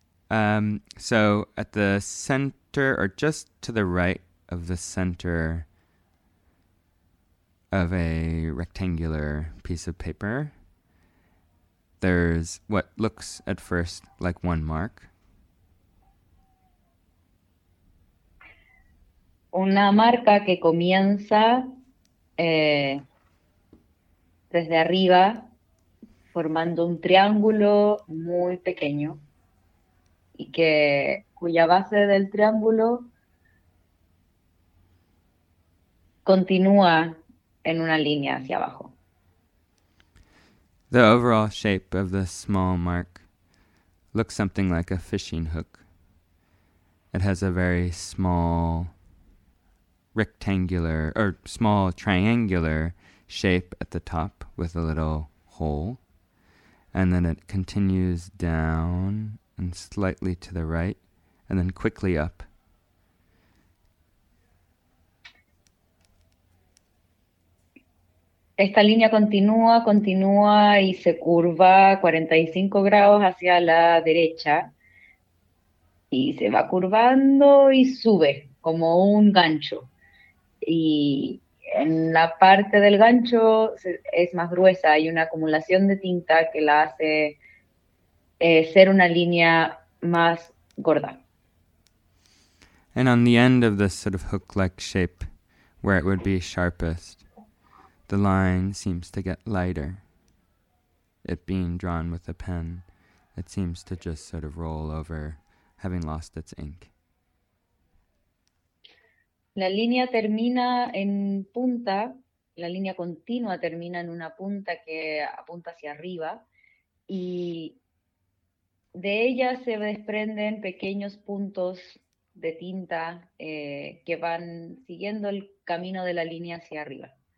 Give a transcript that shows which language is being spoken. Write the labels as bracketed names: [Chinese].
[English] So at the center, or just to the right of the center of a rectangular piece of paper, there's what looks at first like one mark. [Spanish] Una marca que comienza desde arriba, formando un triángulo muy pequeño, y que cuya base del triángulo continúa en una línea hacia abajo. [English] The overall shape of the small mark looks something like a fishing hook. It has a very small rectangular, or small triangular shape at the top with a little hole. And then it continues down and slightly to the right and then quickly up. [Spanish] Esta línea continúa y se curva 45 grados hacia la derecha y se va curvando y sube como un gancho. Y en la parte del gancho es más gruesa, hay una acumulación de tinta que la hace ser una línea más gorda. [English] And on the end of this sort of hook-like shape, where it would be sharpest, the line seems to get lighter. It being drawn with a pen, it seems to just sort of roll over, having lost its ink. [Spanish] La línea termina en punta, la línea continua termina en una punta que apunta hacia arriba, y de ella se desprenden pequeños puntos de tinta que van siguiendo el camino de la línea hacia arriba.